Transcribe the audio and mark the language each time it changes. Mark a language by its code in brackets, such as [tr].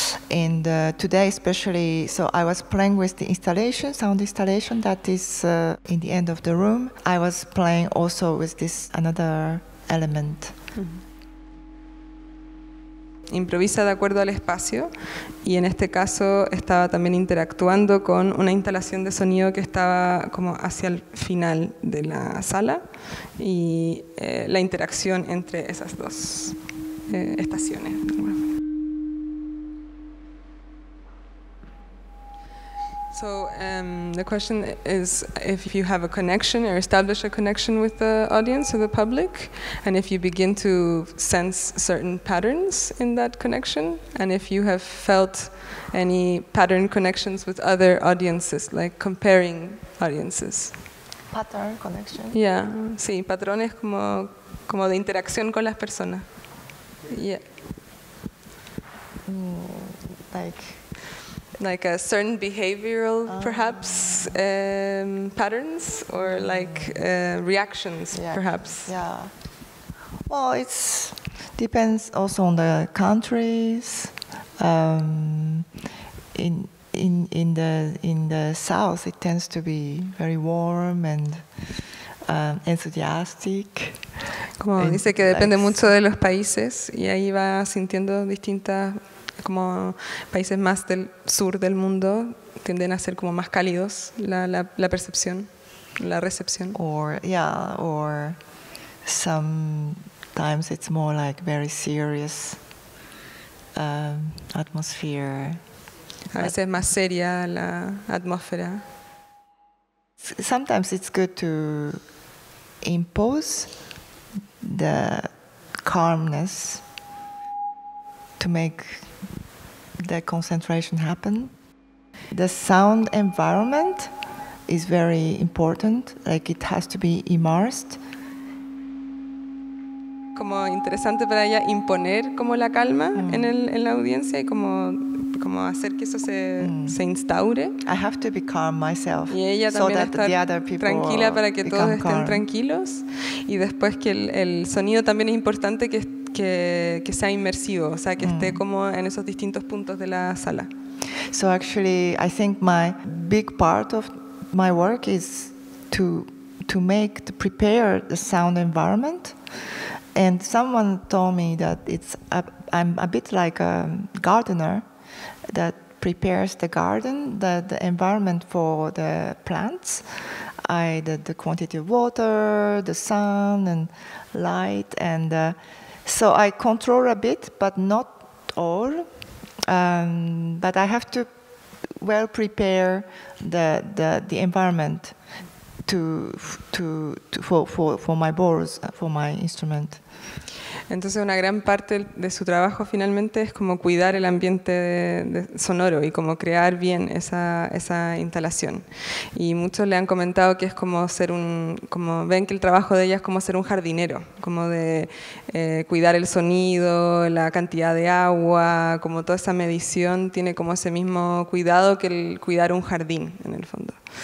[en] And today especially, so I was playing with the installation, sound installation that is in the end of the room. I was playing also with this another element. Mm-hmm. [es] Improvisa de acuerdo al espacio, y en este caso estaba también interactuando con una instalación de sonido que estaba como hacia el final de la sala, y la interacción entre esas dos estaciones. [en] So the question is if you have a connection or establish a connection with the audience or the public, and if you begin to sense certain patterns in that connection, and if you have felt any pattern connections with other audiences, like comparing audiences. Pattern connection? [es] Yeah, sí, patrones como de interacción con las personas. Yeah. [en] Like a certain behavioral, perhaps, patterns, or like reactions, yeah. Perhaps. Yeah. Well, it depends also on the countries. In the south, it tends to be very warm and enthusiastic. [es] Como and dice que depende mucho de los países, y ahí va sintiendo distintas. Como países más del sur del mundo tienden a ser como más cálidos la percepción, la recepción. [en] Or sometimes it's more like very serious atmosphere. [es] A veces es más seria la atmósfera. [en] Sometimes it's good to impose the calmness to make the concentration happen. The sound environment is very important, like it has to be immersed. [es] Como interesante para ella imponer como la calma en la audiencia y como hacer que eso se instaure. [en] I have to be calm myself. [es] Y ella también tranquila para que todos estén [en] calm. [es] Tranquilos. Y después que el sonido también es importante que sea inmersivo, o sea, que esté como en esos distintos puntos de la sala. [en] So actually, I think my big part of my work is to make to prepare the sound environment. And someone told me that I'm a bit like a gardener that prepares the garden, the environment for the plants. The quantity of water, the sun and light and so I control a bit, but not all. But I have to well prepare the environment for my bores, for my instrument. [es] Entonces, una gran parte de su trabajo finalmente es como cuidar el ambiente de sonoro y como crear bien esa instalación. Y muchos le han comentado que es como ser un, como ven que el trabajo de ella es como ser un jardinero, como de cuidar el sonido, la cantidad de agua, como toda esa medición tiene como ese mismo cuidado que el cuidar un jardín, en el fondo.